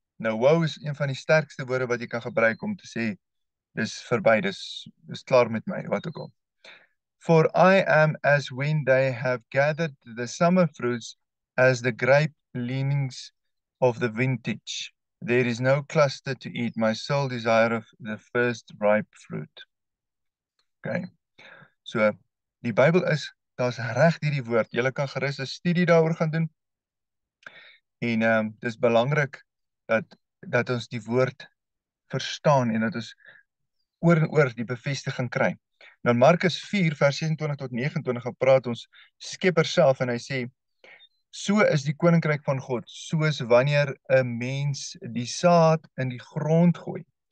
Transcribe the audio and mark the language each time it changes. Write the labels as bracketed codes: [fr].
[af] Nou woe is een van die sterkste woorde wat jy kan gebruik om te sê, dis verby, dis klaar met my, wat ook al. [en] For I am as when they have gathered the summer fruits as the grape leanings of the vintage. There is no cluster to eat my soul desire of the first ripe fruit. [af] Okay. So, die Bybel is, daar's reg hierdie woord. Julle kan gerus 'n studie daaroor gaan doen. En dis belangrik dat ons die woord verstaan en dat ons oor en oor die bevestiging kry. Nou Markus 4 vers 26 tot 29 gepraat ons Skepper self en hy sê so is die koninkryk van God, soos wanneer 'n mens die saad in die grond gooi.